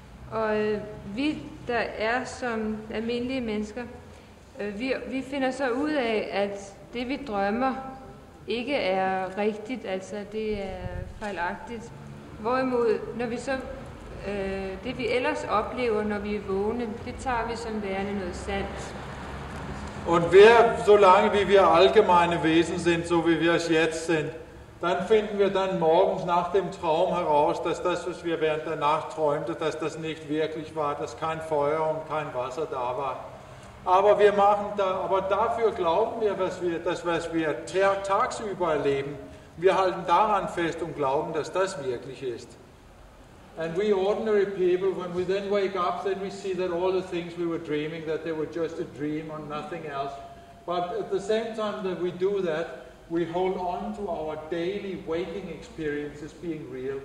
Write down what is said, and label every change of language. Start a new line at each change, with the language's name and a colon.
Danish: Og vi, der er som almindelige mennesker, vi finder så ud af, at det, vi drømmer, ikke er rigtigt, altså det er fejlagtigt. Hvorimod, når vi så, det vi ellers oplever, når vi er vågne, det tager vi som værende noget sandt.
German: Und wer, solange
Danish: vi er
German: allgemeine Wesen sind, so wie wir es jetzt sind, dann finden wir dann morgens nach dem Traum heraus, dass das, was wir während der Nacht träumte, dass das nicht wirklich war, dass kein Feuer und kein Wasser da war. Aber wir machen da, aber dafür glauben wir, was wir, das, was wir tagsüber erleben, wir halten daran fest und glauben, dass das wirklich ist.
English: And we ordinary people, when we then wake up, then we see that all the things we were dreaming, that they were just a dream or nothing else. But at the same time that we do that, we hold on to our daily waking experiences being real.